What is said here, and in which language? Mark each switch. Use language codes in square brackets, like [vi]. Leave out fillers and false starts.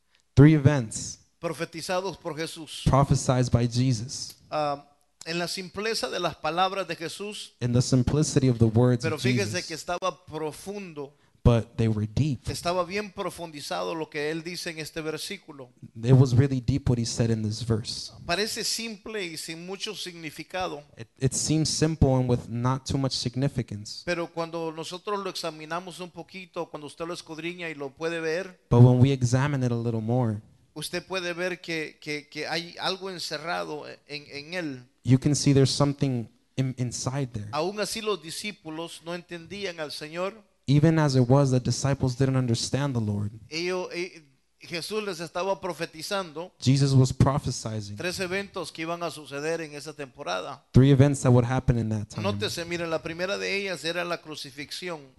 [en] Advice. 3 events. [es] Profetizados por Jesús. [en] Prophesied by Jesus. [es] En la simpleza de las palabras de Jesús. [en] In the simplicity of the words of Jesus. [es] Pero fíjese que estaba profundo. [en] But they were deep. [es] Estaba bien profundizado lo que él dice en este versículo. [en] It was really deep what he said in this verse. [es] Parece simple y sin mucho significado. [en] It seems simple and with not too much significance. [es] Pero cuando nosotros lo examinamos un poquito, cuando usted lo escudriña y lo puede ver. [en] But when we examine it a little more. [es] Usted puede ver que hay algo encerrado en él. [en] You can see there's something inside there. [es] Aún así los discípulos no entendían al Señor. [en] Even as it was, the disciples didn't understand the Lord. [es] Jesús les estaba profetizando. [en] Jesus was prophesizing. [es] 3 eventos que iban a suceder en esa temporada. [en] 3 events that would happen in that time. [es] Nótese, mire, la primera de ellas era la crucifixión.